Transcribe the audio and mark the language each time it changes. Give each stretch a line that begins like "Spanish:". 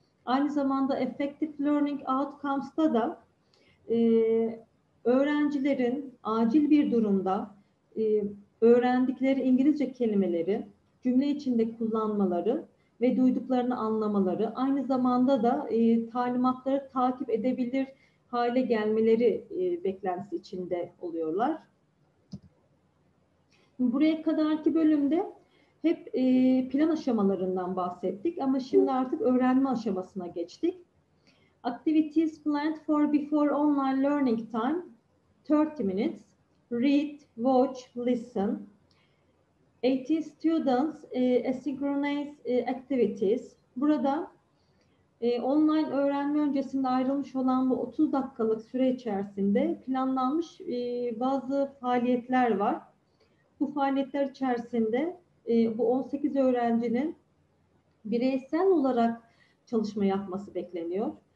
Turkish: Aynı zamanda
English: effective learning outcomes'ta
Turkish: da öğrencilerin acil bir durumda öğrendikleri İngilizce kelimeleri cümle içinde kullanmaları ve duyduklarını anlamaları, aynı zamanda da talimatları takip edebilir hale gelmeleri beklentisi içinde oluyorlar. Buraya kadarki bölümde hep plan aşamalarından bahsettik ama şimdi artık öğrenme aşamasına geçtik.
English: Activities planned for before online learning time, 30 minutes. Read, watch, listen. 18 students, asynchronous activities.
Turkish: Burada online öğrenme öncesinde ayrılmış olan bu 30 dakikalık süre içerisinde planlanmış bazı faaliyetler var. Bu faaliyetler içerisinde bu 18 öğrencinin bireysel olarak çalışma yapması bekleniyor.